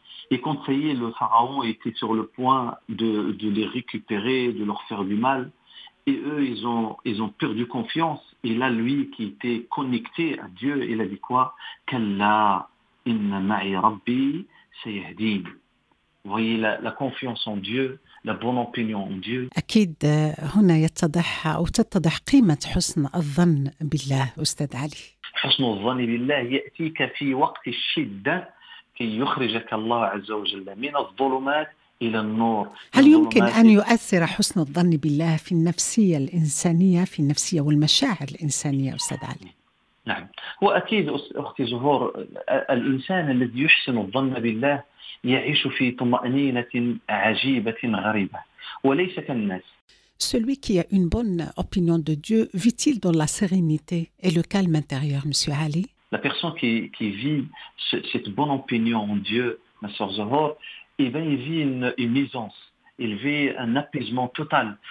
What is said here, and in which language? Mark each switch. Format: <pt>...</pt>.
<fr>Et quand ça y est, le pharaon était sur le point de les récupérer, de leur faire du mal. Et eux, ils ont perdu confiance. Et là, lui qui était connecté à Dieu, il a dit quoi?</fr> <ar>Kalla inna ma'i rabbi sayahdin.</ar> <fr>Vous voyez la confiance en Dieu, la bonne opinion en Dieu.</fr> <ar>أكيد هنا يتضح أو تتضح قيمة حسن الظن بالله أستاذ علي. حسن الظن بالله يأتيك في وقت الشدة كي يخرجك الله عز وجل من الظلمات إلى النور. هل يمكن أن يؤثر حسن الظن بالله في النفسية الإنسانية، في النفسية والمشاعر الإنسانية أستاذ علي؟ نعم، هو أكيد أختي زهور، الإنسان الذي يحسن الظن بالله يعيش في طمأنينة عجيبة غريبة وليس كالناس.</ar> <fr>Celui qui a une bonne opinion de Dieu vit-il dans la sérénité et le calme intérieur, Monsieur Ali? La personne qui vit cette bonne opinion en Dieu, ma sœur Zohor, eh bien, il vit une aisance, il vit un apaisement total.</fr>